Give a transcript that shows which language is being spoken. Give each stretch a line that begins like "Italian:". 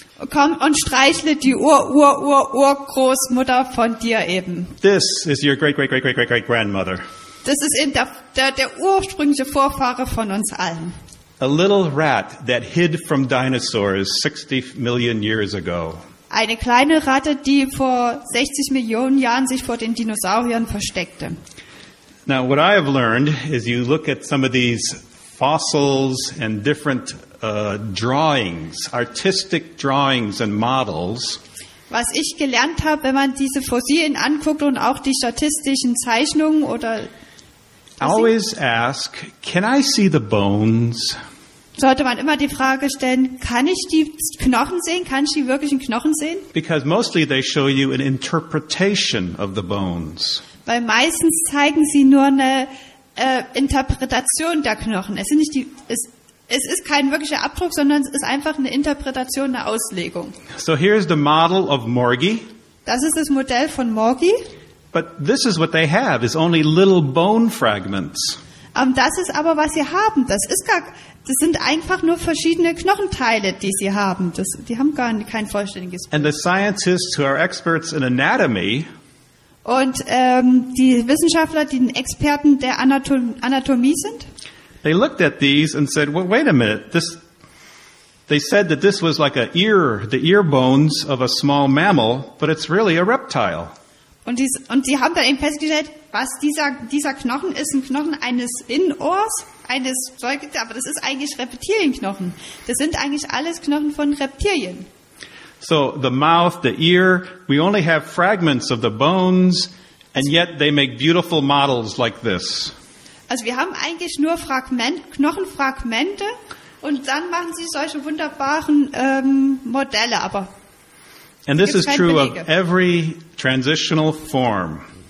German: Komm und streichle die Ur-Ur-Ur-Ur-Großmutter von dir eben.
English: This is your great grandmother.
German: Das ist eben der ursprüngliche Vorfahre von uns allen.
English: A little rat that hid from dinosaurs 60 million years ago.
German: Eine kleine Ratte, die vor 60 Millionen Jahren sich vor den Dinosauriern versteckte.
English: Now what I have learned is you look at some of these fossils and different drawings, artistic drawings and models.
German: Was ich gelernt habe, wenn man diese Fossilien anguckt und auch die statistischen Zeichnungen oder
English: always ask, can I see the bones?
German: Sollte man immer die Frage stellen, kann ich die Knochen sehen? Kann ich die wirklichen Knochen sehen?
English: Because mostly they show you an interpretation of the bones.
German: Weil meistens zeigen sie nur eine Interpretation der Knochen. Es ist kein wirklicher Abdruck, sondern es ist einfach eine Interpretation, eine Auslegung.
English: So here is the model of Morgi.
German: Das ist das Modell von Morgi.
English: But this is what they have, is only little bone fragments.
German: Das ist aber, was sie haben. Das sind einfach nur verschiedene Knochenteile, die sie haben. Die haben gar kein vollständiges Bild.
English: And the scientists who are experts in anatomy.
German: Und die Wissenschaftler, die Experten der Anatomie sind.
English: They looked at these and said, well, wait a minute. They said that this was like the ear bones of a small mammal, but it's really a reptile.
German: Und sie haben dann eben festgestellt, was dieser Knochen ist, ein Knochen eines Innenohrs, eines Säugetiers, aber das ist eigentlich Reptilienknochen. Das sind eigentlich alles Knochen von Reptilien.
English: So the mouth, the ear, we only have fragments of the bones, and yet they make beautiful models like this.
German: Also wir haben eigentlich nur Knochenfragmente, und dann machen sie solche wunderbaren Modelle, aber...
English: And this is true of every transitional form.